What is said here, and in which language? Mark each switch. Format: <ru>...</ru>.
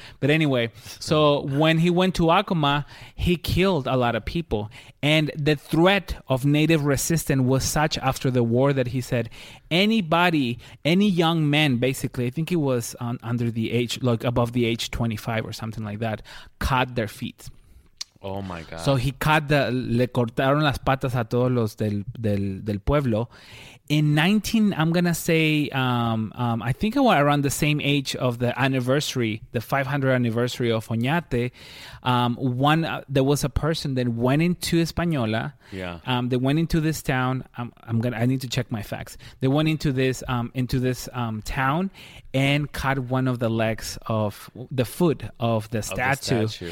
<en>But anyway, so when he went to Acoma, he killed a lot of people. And the threat of native resistance was such after the war that he said, anybody, any young man, basically, I think he was under the age, like above the age 25 or something like that, cut their feet. Oh my God. So he cut the,</en> <es>le cortaron las patas a todos los del pueblo.</es> <en>In 19, I'm going to say, I think I was around the same age of the anniversary, the 500th anniversary of Oñate. There was a person that went into Española. Yeah. They went into this town. I need to check my facts. They went into this town and cut one of the legs of the foot of the statue.</en>